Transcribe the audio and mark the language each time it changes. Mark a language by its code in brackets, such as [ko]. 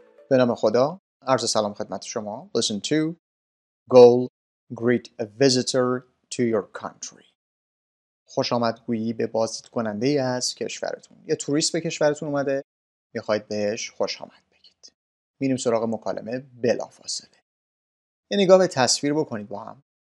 [fa] به نام خدا، عرض سلام خدمت شما. [en] Lesson 2. Goal: Greet a visitor to your country. [fa] خوش آمدگویی به بازدید کننده ای از کشورتون. یه توریست به کشورتون اومده، میخواید بهش خوش آمد بگید. میریم سراغ مکالمه بلافاصله. یه نگاه به تصویر بکنید با هم.